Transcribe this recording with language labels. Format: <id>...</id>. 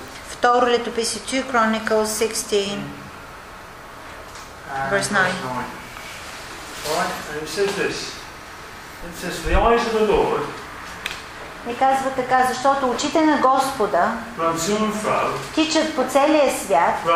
<bg>Второ летописи,</bg> <en>2 Chronicles 16, verse 9. Right? And it says this. It says, the eyes of the Lord.</en> <bg>И казва така, защото очите на Господа тичат по целия свят.</bg>